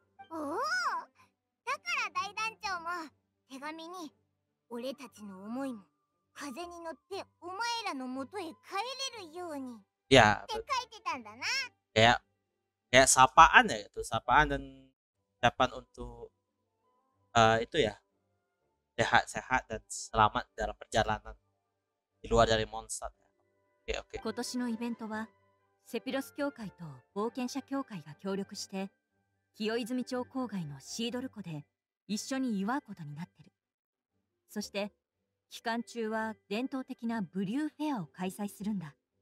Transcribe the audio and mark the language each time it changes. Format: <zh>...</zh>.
<ja>おお、だから大団長も手紙に俺たちの思いも風に乗ってお前らの元へ帰れるようにって書いてたんだな。</ja> <id>Kayak sapaan ya, itu sapaan dan ucapan untuk itu ya, sehat-sehat dan selamat dalam perjalanan di luar dari Mondstadt.</id> <en>Okay.</en> <ja>今年のイベントはセピロス教会と冒険者教会が協力して清泉町郊外のシードル湖で一緒に祝うことになってる。そして期間中は伝統的なブリューフェアを開催するんだ。</ja>